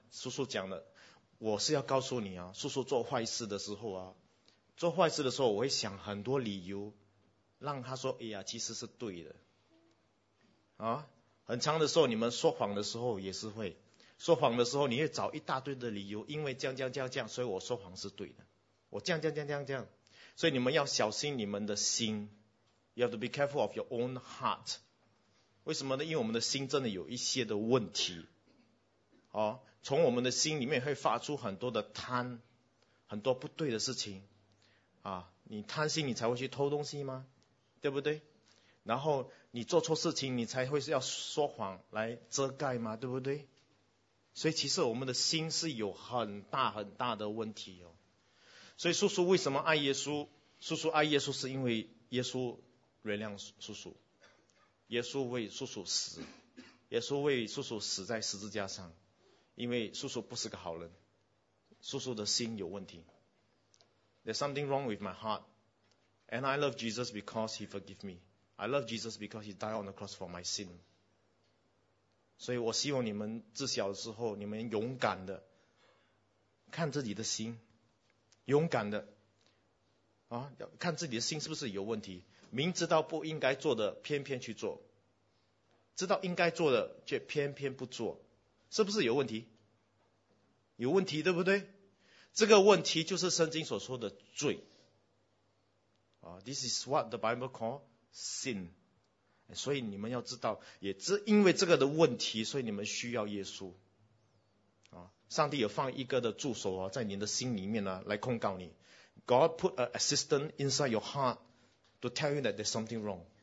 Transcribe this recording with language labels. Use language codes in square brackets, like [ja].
[zh] 叔叔讲的，我是要告诉你啊，叔叔做坏事的时候啊，做坏事的时候，我会想很多理由，让他说，哎呀，其实是对的，啊，很长的时候，你们说谎的时候也是会。说谎的时候，你会找一大堆的理由，因为这样，所以我说谎是对的。我这样，所以你们要小心你们的心。 [en] You have to be careful of your own heart. [zh] 为什么呢？因为我们的心真的有一些的问题。哦，从我们的心里面会发出很多的贪，很多不对的事情。啊，你贪心你才会去偷东西吗？对不对？然后你做错事情你才会要说谎来遮盖吗？对不对？所以其实我们的心是有很大很大的问题哦。所以叔叔为什么爱耶稣？叔叔爱耶稣是因为耶稣原谅叔叔，耶稣为叔叔死，耶稣为叔叔死在十字架上，因为叔叔不是个好人，叔叔的心有问题。 [en] There's something wrong with my heart, and I love Jesus because He forgive me. I love Jesus because He died on the cross for my sin. [zh] 所以我希望你们自小的时候，你们勇敢的看自己的心，勇敢的啊，看自己的心是不是有问题。明知道不应该做的，偏偏去做；知道应该做的，却偏偏不做，是不是有问题？有问题，对不对？这个问题就是圣经所说的罪啊。 [en] This is what the Bible calls sin. [zh] 所以你们要知道，也是因为这个的问题，所以你们需要耶稣。啊，上帝有放一个的助手啊，在你的心里面呢，来控告你。 [en] God put an assistant inside your heart to tell you that there's something wrong.